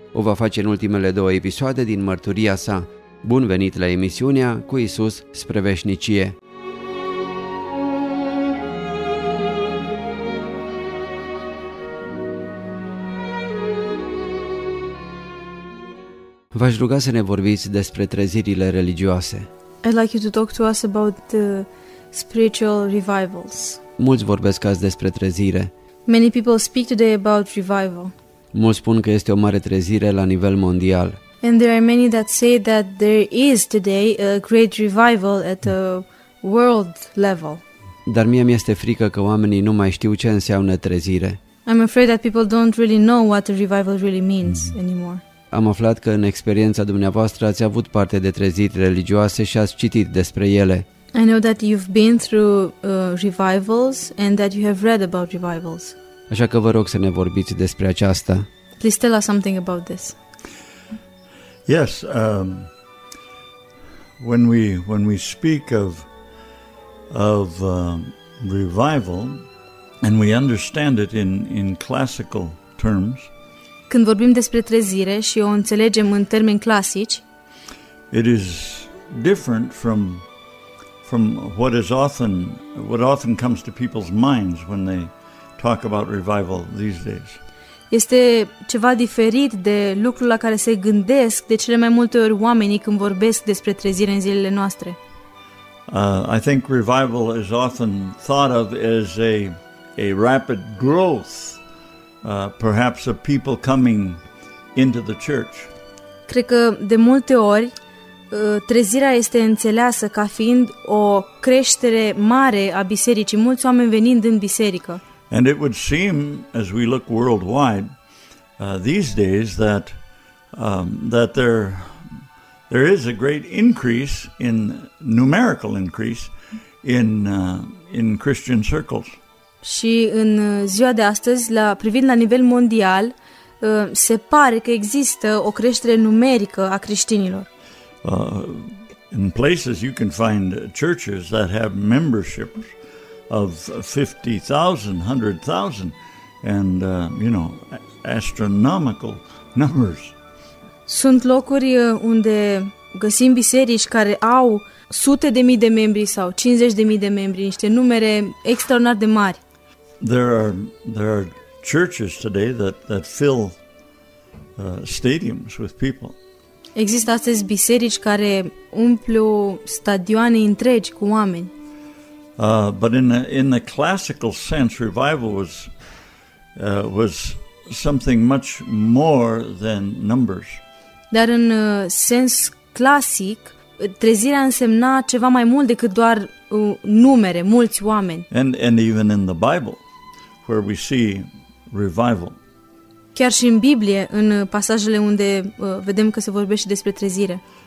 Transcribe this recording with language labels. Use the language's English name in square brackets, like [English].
[Romanian] O va face în ultimele două episoade din mărturia sa. Bun venit la emisiunea Cu Iisus spre veșnicie! V-aș ruga să ne vorbiți despre trezirile religioase. [English] I'd like you to talk to us about the spiritual revivals. [Romanian] Mulți vorbesc azi despre trezire. [English] Many people speak today about revival. [Romanian] Mulți spun că este o mare trezire la nivel mondial. [English] And there are many that say that there is today a great revival at a world level. [Romanian] Dar mie mi-este frică că oamenii nu mai știu ce înseamnă trezire. [English] I'm afraid that people don't really know what a revival really means anymore. [Romanian] Am aflat că în experiența dumneavoastră ați avut parte de treziri religioase și ați citit despre ele. [English] I know that you've been through revivals and that you have read about revivals. [Romanian] Așa că vă rog să ne vorbiți despre aceasta. [English] Please tell us something about this. Yes, when we speak of revival and we understand it in classical terms. [Romanian] Când vorbim despre trezire și o înțelegem în termeni clasici, [English] it is different from what often comes to people's minds when they talk about revival these days. [Romanian] Este ceva diferit de lucrul la care se gândesc de cele mai multe ori oamenii când vorbesc despre trezire în zilele noastre. [English] I think revival is often thought of as a rapid growth. Perhaps of people coming into the church. [Romanian] Cred că de multe ori trezirea este înțeleasă ca fiind o creștere mare a bisericii, mulți oameni venind în biserică. [English] And it would seem, as we look worldwide these days, that there is a great increase in numerical increase in Christian circles. [Romanian] Și în ziua de astăzi, privind la nivel mondial, se pare că există o creștere numerică a creștinilor. [English] In places you can find churches that have membership of 50,000, 100,000 and astronomical numbers. [Romanian] Sunt locuri unde găsim biserici care au sute de mii de membri sau 50.000 de membri, niște numere extraordinar de mari. [English] There are churches today that fill stadiums with people. [Romanian] Există astăzi biserici care umplu stadioane întregi cu oameni. [English] But in the classical sense, revival was something much more than numbers. [Romanian] Dar în sens clasic, trezirea însemna ceva mai mult decât doar numere, mulți oameni. [English] And even in the Bible, where we see revival. [Romanian] Chiar și în Biblie, în pasajele unde vedem că se vorbește despre trezire.